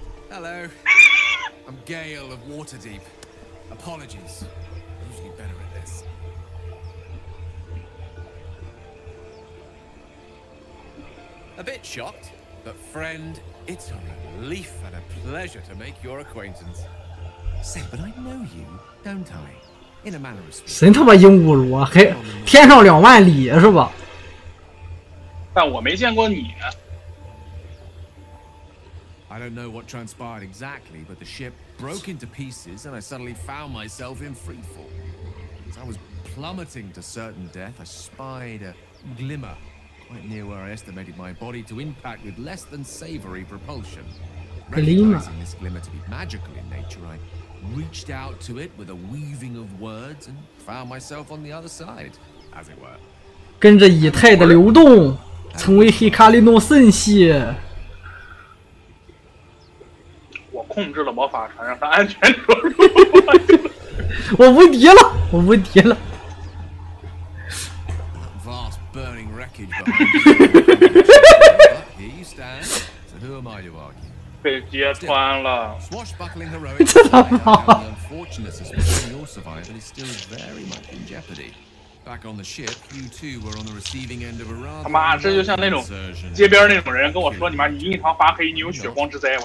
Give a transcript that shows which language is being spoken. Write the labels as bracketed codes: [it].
[en] Hello, I'm Gale of Waterdeep. Apologies, usually better at this. A bit shocked, but friend, it's a relief and a pleasure to make your acquaintance. Say, but I know you, don't I? In a manner of speaking. [zh] 神他妈鹦鹉螺，还天上两万里是吧？但我没见过你。 [en] I don't know what transpired exactly, but the ship broke into pieces, and I suddenly found myself in freefall. As I was plummeting to certain death, I spied a glimmer quite near where I estimated my body to impact with less than savory propulsion. Recognizing this glimmer to be magical in nature, I. Reached out to it with a weaving of words and found myself on the other side, as it were. [zh] 跟着以太的流动，成为黑卡利诺圣系。我控制了魔法船，让它安全着陆。我无敌了，我无敌了。 [en] That vast burning wreckage behind you. Here you stand. So who am I to argue? [zh] 被揭穿了，这他妈！ [en] Your survival is still very much in jeopardy. Back on the ship, you two were on the receiving end of a rather. [zh] 他妈，这就像那种街边那种人跟我说：“你妈，你印堂发黑，你有血光之灾。”